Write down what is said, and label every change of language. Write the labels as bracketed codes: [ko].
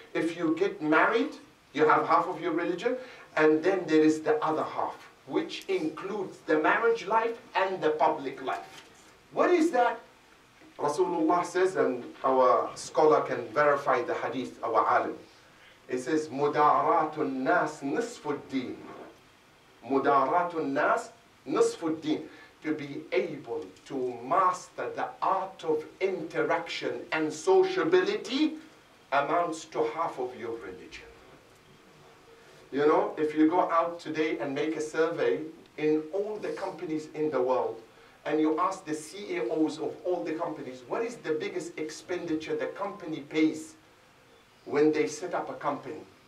[en] If you get married, you have half of your religion, and then there is the other half, which includes the marriage life and the public life. What is that? Rasulullah says, and our scholar can verify the hadith, our alim. [ar] It says, مُدَارَاتُ النَّاسِ نِصْفُ الدِّينِ مُدَارَاتُ النَّاسِ نِصْفُ الدِّينِ. [en] To be able to master the art of interaction and sociability amounts to half of your religion. You know, if you go out today and make a survey in all the companies in the world, and you ask the CEOs of all the companies, what is the biggest expenditure the company pays when they set up a company?